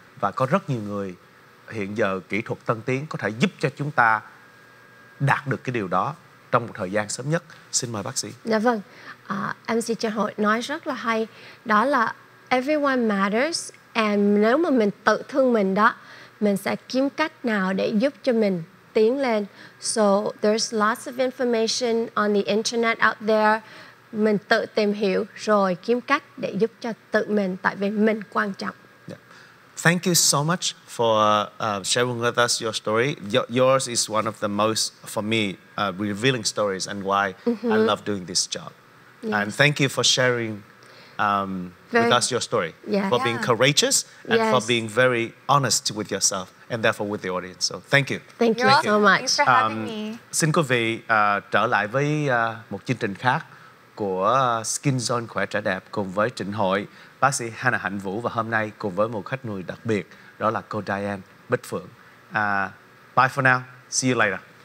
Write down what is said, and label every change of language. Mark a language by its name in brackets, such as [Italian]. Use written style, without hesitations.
[Vietnamese] Và có rất nhiều người hiện giờ kỹ thuật tân tiến có thể giúp cho chúng ta đạt được cái điều đó trong một thời gian sớm nhất. Xin mời bác sĩ. Dạ vâng. MC Trần Hội nói rất là hay. Đó là [English] everyone matters. [Vietnamese] And nếu mà mình tự thương mình đó, mình sẽ kiếm cách nào để giúp cho mình tiến lên. [English] So there's lots of information on the internet out there. [Vietnamese] Mình tự tìm hiểu rồi kiếm cách để giúp cho tự mình, tại vì mình quan trọng. [English] Thank you so much for sharing with us your story. Yours is one of the most, for me, revealing stories and why I love doing this job. Yes. And thank you for sharing with us your story, for being courageous and for being very honest with yourself and therefore with the audience. So thank you. Thank you so much. Thanks for having me. [Vietnamese] Xin quý vị trở lại với một chương trình khác của Skin Zone Khỏe Trẻ Đẹp cùng với Trịnh Hội, bác sĩ Hannah Hạnh Vũ, và hôm nay cùng với một khách mời đặc biệt, đó là cô Diane Bích Phượng. [English] Bye for now. See you later.